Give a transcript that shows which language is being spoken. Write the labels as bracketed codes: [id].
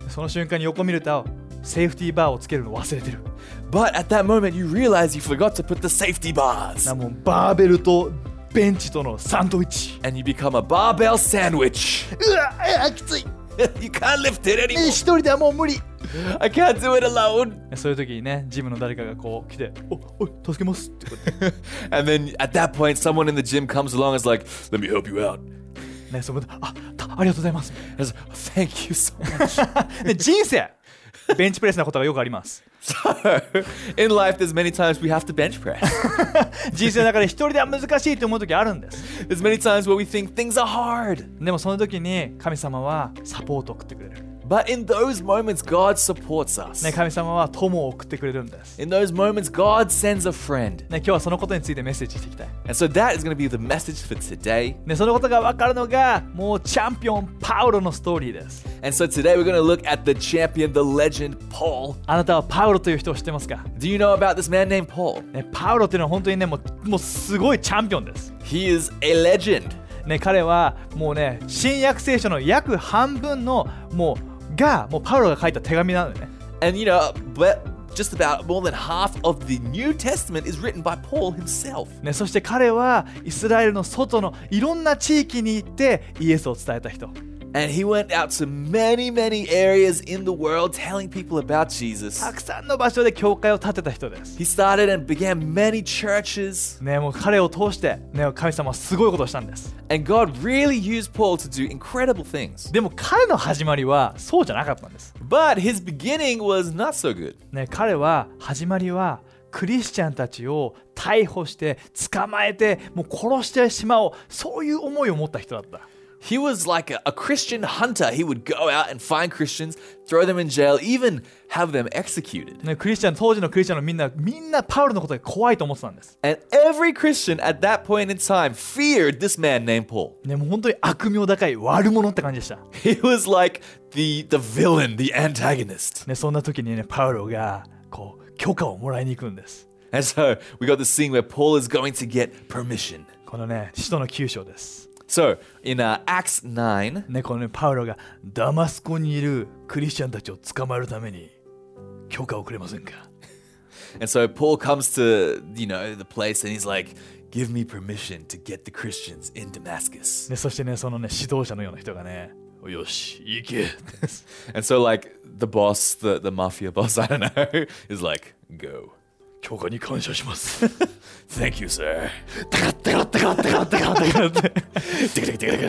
[ja] その瞬間に横見ると、セーフティーバーをつけるの忘れてる。 [en] But at that moment, you realize you forgot to put the safety bars. [ja] もうバーベルとベンチとのサンドイッチ。 [en] And you become a barbell sandwich. [ja] うわ、あ、きつい。 [en] You can't lift it anymore. [ja] 一人ではもう無理。 [en] I can't do it alone. [ja] そういう時にね、ジムの誰かがこう来て、おい、助けますってこと。 [en] And then at that point, someone in the gym comes along and is like, let me help you out. [ja] ね、そのありがとうございます。 [en] Yes, thank you so much. [ja] 、ね、人生ベンチプレスなことがよくあります。 [en] So, in life, there's many times we have to bench press. [ja] 人生の中で一人では難しいと思う時あるんです。 [en] There's many times where we think things are hard. [ja] でもその時に神様はサポートを送ってくれる。 [en] But in those moments, God supports us. [ja] ね、神様は友を送ってくれるんです。 [en] In those moments, God sends a friend. [ja] ね、今日はそのことについてメッセージしていきたい。 [en] And so that is going to be the message for today. [ja] ね、そのことが分かるのが、もうチャンピオン、パウロのストーリーです。 [en] And so today we're going to look at the champion, the legend, Paul. [ja] あなたはパウロという人を知ってますか? [en] Do you know about this man named Paul? [ja] ね、パウロというのは本当にね、もうすごいチャンピオンです。 [en] He is a legend. [ja] ね、彼はもうね、新約聖書の約半分のもうがもうパウロが書いた手紙なのね。 [en] And you know, but just about more than half of the New Testament is written by Paul himself. [ja] ね、そして彼はイスラエルの外のいろんな地域に行ってイエスを伝えた人。 [en] And he went out to many, many areas in the world telling people about Jesus. [ja] たくさんの場所で教会を建てた人です。 [en] He started and began many churches. [ja] ね、もう彼を通して、ね、神様はすごいことをしたんです。 [en] And God really used Paul to do incredible things. [ja] でも彼の始まりはそうじゃなかったんです。 [en] But his beginning was not so good. [ja] ね、彼は始まりはクリスチャンたちを逮捕して捕まえてもう殺してしまおう、そういう思いを持った人だった。 [en] He was like a Christian hunter. He would go out and find Christians, throw them in jail, even have them executed. [ja] ね、クリスチャン、当時のクリスチャンのみんなパウロのことが怖いと思ってたんです。 [en] And every Christian at that point in time feared this man named Paul. [ja] ね、もう本当に悪名高い悪者って感じでした。 [en] He was like the villain, the antagonist. [ja] ね、そんな時にね、パウロがこう許可をもらいに行くんです。 [en] And so we got the scene where Paul is going to get permission. [ja] このね、使徒の9章です。 [en] So, in Acts 9, [ja] ね、このね、パウロがダマスコにいるクリスチャンたちを捕まえるために許可をくれませんか? [en] And so Paul comes to, you know, the place and he's like, Give me permission to get the Christians in Damascus. [ja] ね、そしてね、そのね、指導者のような人がね、よし、行け。 [en] And so like the boss, the mafia boss, I don't know, is like, go. [ja] 教会に感謝します。 [en] Thank you, sir. たかたかたかたかたかたかたかたかたかたかたかたか